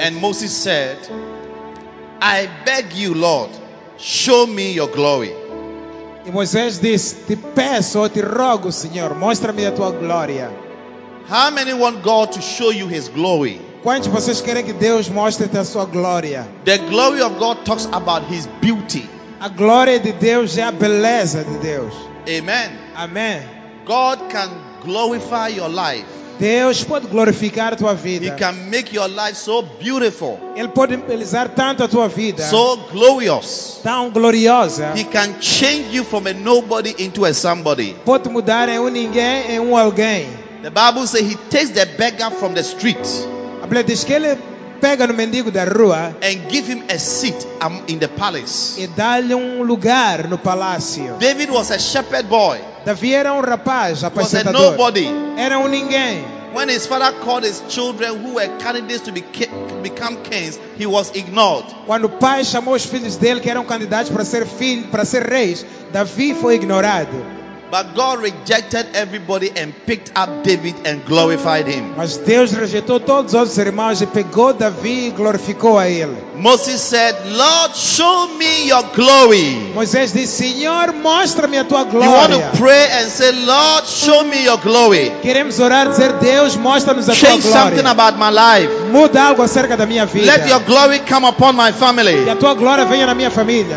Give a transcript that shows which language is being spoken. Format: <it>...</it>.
<en>And Moses said, I beg you, Lord, show me your glory.</en> <pt>E Moisés disse, te peço, te rogo, Senhor, mostra-me a tua glória.</pt> <en>How many want God to show you his glory?</en> <pt>Quantos de vocês querem que Deus mostre-te a sua glória?</pt> <en>The glory of God talks about his beauty.</en> <pt>A glória de Deus é a beleza de Deus. Amen. Amém.</pt> <en>God can glorify your life.</en> <pt>Deus pode glorificar a tua vida.</pt> <en>He can make your life so beautiful.</en> <pt>Ele pode embelezar tanto a tua vida.</pt> <en>So glorious.</en> <pt>Tão gloriosa.</pt> <en>He can change you from a nobody into a somebody.</en> <pt>Pode mudar de ninguém em alguém.</pt> <en>The Bible says he takes the beggar from the street.</en> <pt>A Bíblia diz que ele pega no mendigo da rua.</pt> <en>And give him a seat in the palace.</en> <pt>E dá-lhe lugar no palácio.</pt> <en>David was a shepherd boy.</en> <pt>Davi era rapaz, apacentador.</pt> <en>He was a nobody.</en> <pt>Era ninguém.</pt> <en>When his father called his children who were candidates to become kings, he was ignored.</en> <pt>Quando o pai chamou os filhos dele que eram candidatos para ser filho, para ser reis, Davi foi ignorado.</pt> <en>But God rejected everybody and picked up David and glorified him.</en> <pt>Mas Deus rejeitou todos os irmãos e pegou Davi e glorificou a ele.</pt> <en>Moses said, Lord, show me your glory.</en> <pt>Moisés disse, Senhor, mostra-me a tua glória.</pt> <en>You want to pray and say, Lord, show me your glory.</en> <pt>Queremos orar e dizer, Deus, mostra-nos a tua glória.</pt> <en>Change something about my life.</en> <pt>Muda algo acerca da minha vida.</pt> <en>Let your glory come upon my family.</en> <pt>E a tua glória venha na minha família.</pt>